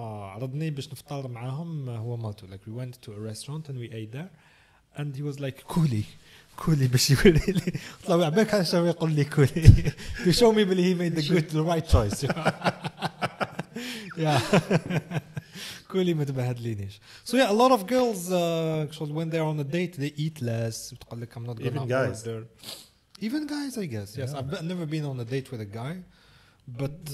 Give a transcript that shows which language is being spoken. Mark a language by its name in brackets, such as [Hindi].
[Arabic] عرضني باش نفطر معاهم هو مالته. [English] Like we went to a restaurant and we ate there, and he was like, "Kuli, [Arabic] باش يقول لي. طلع بك عشان شو يقول لي كولي. [English] To show me that he made the right choice. Yeah. [Arabic] كولي ما تبهدلينيش. [English] So yeah, a lot of girls, actually, when they're on a date, they eat less. [Arabic] تقول لك [English] I'm not gonna even guys. Order. Even guys, I guess. Yes, yeah. I've never been on a date with a guy, but